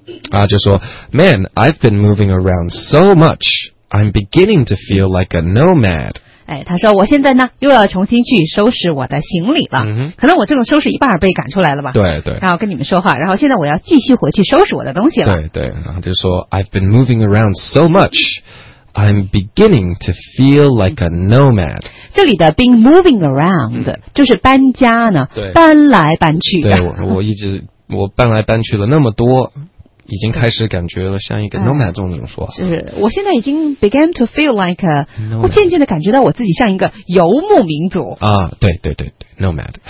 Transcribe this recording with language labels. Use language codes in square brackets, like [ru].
[zh] 然后就说 [en] ，Man， I've been moving around so much， I'm beginning to feel like a nomad。 [zh] 他说我现在呢又要重新去收拾我的行李了，可能我正收拾一半被赶出来了吧。对对。然后跟你们说话，然后现在我要继续回去收拾我的东西了。对对。然后就说 [en] I've been moving around so much, I'm beginning to feel like a nomad. [zh] 这里的 been moving around 就是搬家呢，搬来搬去的。对，我搬来搬去了那么多。已经开始感觉了像一个 nomad 这种说法。是我现在已经 [en] began to feel like a, [zh] 我渐渐的感觉到我自己像一个游牧民族。啊对对对对 ,nomad。